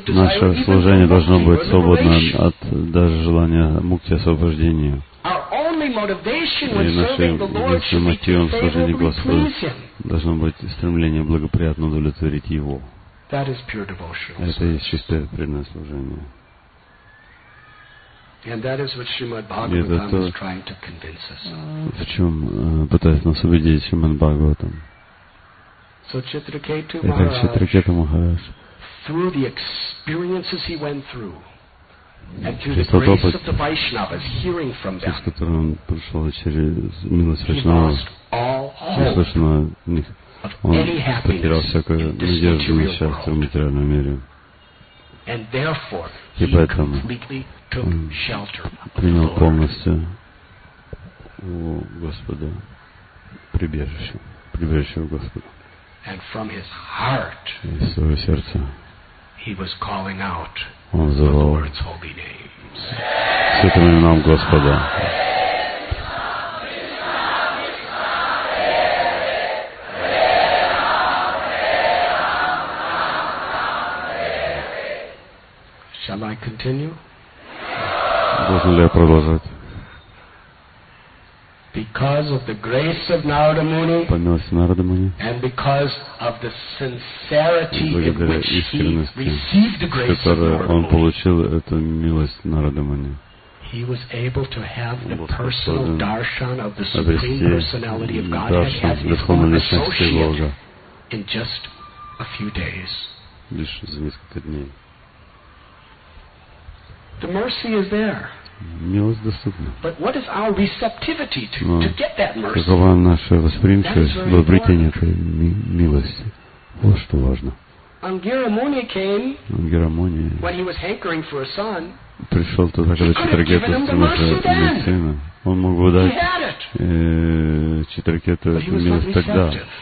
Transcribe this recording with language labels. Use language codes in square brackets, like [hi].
[ru] Наше служение должно быть свободно от даже желания мукти, освобождения. И нашим единственным мотивом в служении Господу должно быть стремление благоприятно удовлетворить Его. Это и есть чистое преданное служение. [en] And that is what Srimad Bhagavatam is trying to convince us of. [ru] В чем пытается нас убедить Шримад Бхагаватам. Итак, [en] Читракету Махарадж, through the experiences he went through, and through the grace of the Vaishnavas, hearing from them, [ru] через который он прошел, через милость Вайшнавов, услышно от них, он потерял всякую надежду на счастье в материальном мире. [en] And therefore, he completely took shelter of the Lord. [ru] Принял полностью у Господа прибежище, прибежище у Господа. [en] And from his heart, he was calling out the Lord's holy names. [ru] Святым именам Господа. [en] Shall I continue? [ru] Должен ли я продолжать? [en] Because of the grace of Narada Muni, [ru] по милости Нарада Муни, [en] and because of the sincerity in which he received the grace of Narada Muni, [ru] он получил эту милость Нарада Муни, [en] he was able to have the personal darshan of the Supreme Personality of Godhead as his own associate in just a few days. [ru] Лишь за несколько дней. [en] The mercy is there. [ru] Милость доступна. [en] But what is our receptivity to get that mercy? [ru] Какова наша восприимчивость в обретении этой милости? Вот что важно. [en] Ангира Муни, when he was hankering for a son, [ru] пришел туда, когда Читракету стремился к сыну. Он мог бы дать Читракету эту милость тогда.